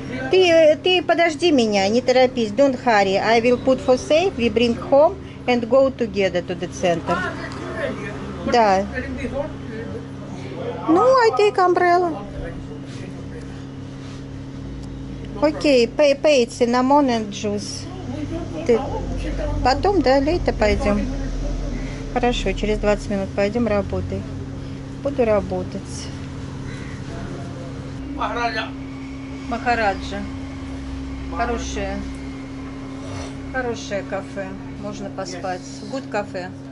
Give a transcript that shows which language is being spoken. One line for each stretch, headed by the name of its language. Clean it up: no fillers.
Russian: Ты подожди меня, не торопись.
English: Don't hurry. I will put for safe, we bring home and go together to the center.
Russian: Да.
English: Ну, I take umbrella. Окей, okay, pay cinnamon and juice.
Russian: Ты... Потом, да, лейте пойдем. Хорошо, через 20 минут пойдем, работай. Буду работать. Махараджа. Хорошее кафе. Можно поспать.
English: Good
Russian: кафе.